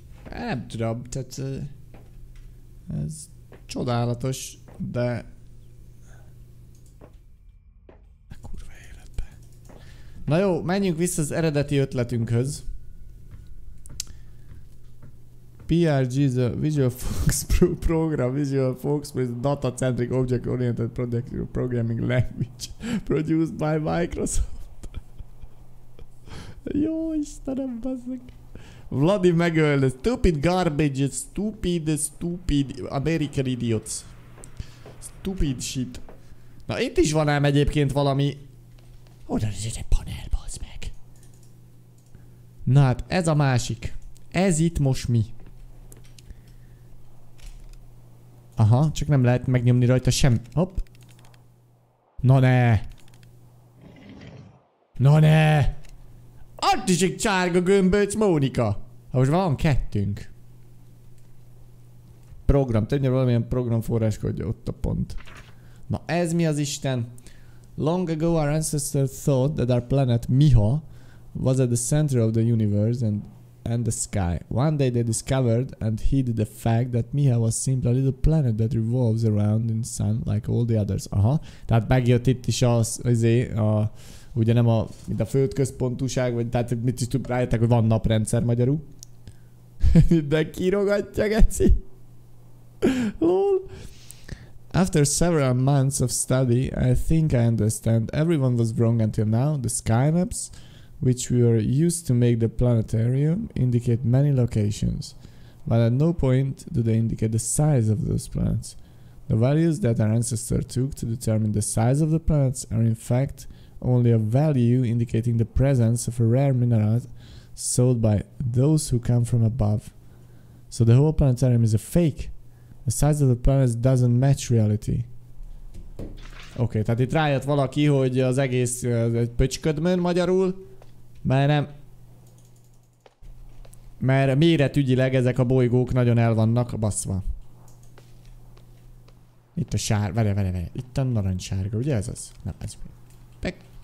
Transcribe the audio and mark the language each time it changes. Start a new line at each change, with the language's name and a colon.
Hungarian: Nem tudom, tehát... Ez csodálatos, de... Na jó, menjünk vissza az eredeti ötletünkhöz.
English: PRG is a Visual Fox program, Visual Fox is a data-centric object-oriented project programming language produced by Microsoft.
Hungarian: Jó, Istenem, baszik. Vladi megölte.
English: Stupid garbage, stupid American idiots. Stupid shit.
Hungarian: Na itt is van ám egyébként valami. Oda is egy panel, bazd meg. Na hát, ez a másik. Ez itt most mi? Aha, csak nem lehet megnyomni rajta sem. Hopp. Na ne! Na ne! Ott is egy sárga gömböc, Mónika! Ha most van kettünk. Program, tegyél valamilyen programforrás, hogy ott a pont. Na ez mi az Isten?
English: Long ago, our ancestors thought that our planet Miho was at the center of the universe and the sky. One day they discovered and hid the fact that Miho was simply a little planet that revolves around in the sun like all the others. Aha.
Hungarian: Tehát megjött itt is az, ugye nem a, mint a földközpontúság, vagy tehát mit is tudom, rájöttek, hogy van naprendszer magyarul. De kirogatja, geci. Lol.
English: After several months of study, I think I understand. Everyone was wrong until now. The sky maps, which we were used to make the planetarium, indicate many locations. But at no point do they indicate the size of those planets. The values that our ancestors took to determine the size of the planets are in fact only a value indicating the presence of a rare mineral sold by those who come from above. So the whole planetarium is a fake. The size of the planets doesn't match reality.
Hungarian: Oké, tehát itt rájött valaki, hogy az egész pöcsködmön magyarul. Mert nem. Mert méretügyileg ezek a bolygók nagyon el vannak baszva. Itt a sárga, várjál. Itt a narancssárga, ugye ez az? Nem, ez mi? Pek.